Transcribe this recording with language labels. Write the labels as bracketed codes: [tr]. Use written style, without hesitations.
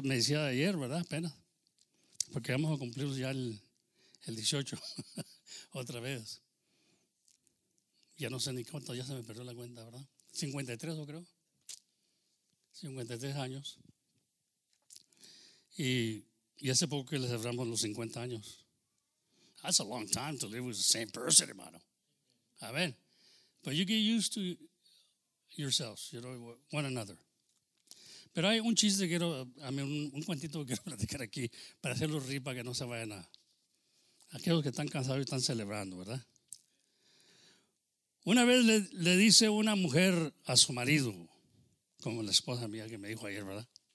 [es] Me decía ayer, ¿verdad? Apenas. Porque vamos a cumplir ya el 18 otra vez. Ya no sé ni cuánto, ya se me perdió la cuenta, ¿verdad? 53, yo creo. 53 años. Y hace poco que le celebramos los 50 años. [en] That's a long time to live with the same person, hermano. Amen. But you get used to yourselves, you know, one another. [es] Pero hay un chiste que quiero, a mí un cuentito que quiero platicar aquí para hacerlo rir para que no se vayan a aquellos que están cansados y están celebrando, ¿verdad? Una vez le dice una mujer a su marido, como la esposa mía que me dijo ayer, ¿verdad?